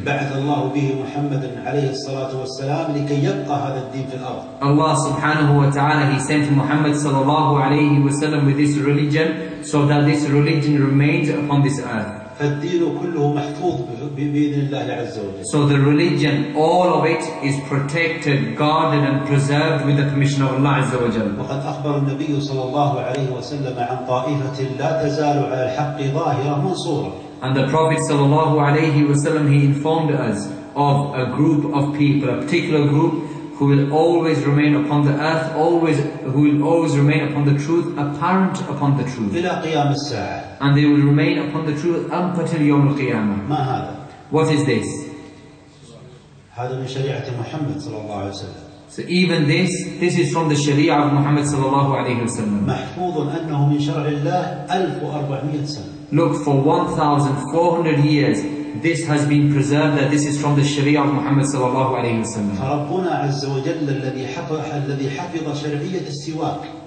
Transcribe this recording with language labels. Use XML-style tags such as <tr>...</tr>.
<ar>بعث الله به محمد عليه الصلاة والسلام لكي يبقى هذا الدين في الأرض.</ar> <en>Allah subhanahu wa ta'ala, He sent Muhammad sallallahu alayhi wa sallam with this religion so that this religion remains upon this earth.</en> <ar>فالدين كله محفوظ بإذن الله عز وجل.</ar> <en>So the religion, all of it, is protected, guarded and preserved with the permission of Allah</en> <ar>عز وجل. وقد أخبر النبي صلى الله عليه وسلم عن طائفة لا تزال على الحق ظاهرة منصورة.</ar> <en>And the Prophet</en> <ar>صلى الله عليه وسلم,</ar> <en>he informed us of a group of people, a particular group who will always remain upon the earth, who will always remain upon the truth, apparent upon the truth.</en> <ar>إلى قيام الساعة.</ar> <en>And they will remain upon the truth until يوم القيامة.</en> <ar>ما هذا؟</ar> <en>What is this?</en> <ar>هذا من شريعة محمد صلى الله عليه وسلم.</ar> <en>So even this is from the Sharia of Muhammad</en> <ar>صلى الله عليه وسلم. محفوظ أنه من شرع الله 1400 سنة.</ar> <en>Look, for 1,400 years, this has been preserved, that this is from the Sharia of Muhammad sallallahu alayhi wa sallam.</en> <ar>فربنا عز وجل الذي حفظ شرعية السواك.</ar>